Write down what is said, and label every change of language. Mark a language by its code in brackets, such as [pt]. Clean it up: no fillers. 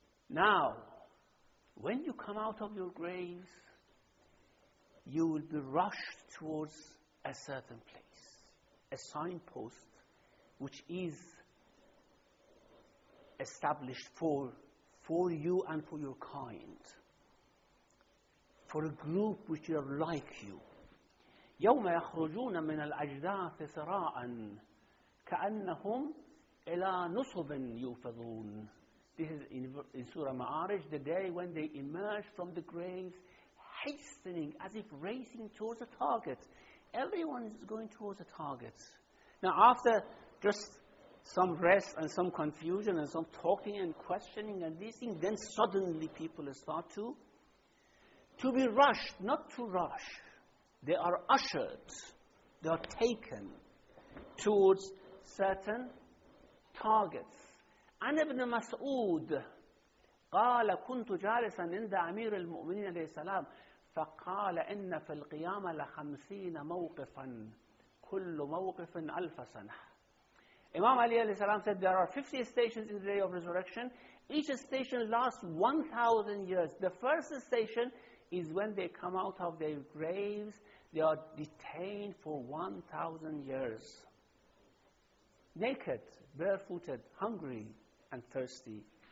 [en] Now, when you come out of your graves, you will be rushed towards a certain place. a signpost which is established for you and for your kind, for a group which are like you. [ar] يوم يخرجون من الأجداث سراعا كأنهم إلى نصب يوفضون. [en] This is in Surah Ma'arij, the day when they emerge from the graves, hastening as if racing towards a target. Everyone is going towards a target. Now, after just some rest and some confusion and some talking and questioning and these things, then suddenly people start to be rushed, not to rush. They are ushered, they are taken towards certain targets. [ar] عن ابن مسعود قال كنت جالسا عند أمير المؤمنين عليه السلام فقال إن في القيامة لخمسين موقفا كل موقف ألف سنة. [en] Imam Ali عليه السلام said there are 50 stations in the day of resurrection. Each station lasts 1,000 years. The first station is when they come out of their graves. They are detained for 1,000 years. Naked, barefooted, hungry. And thirsty.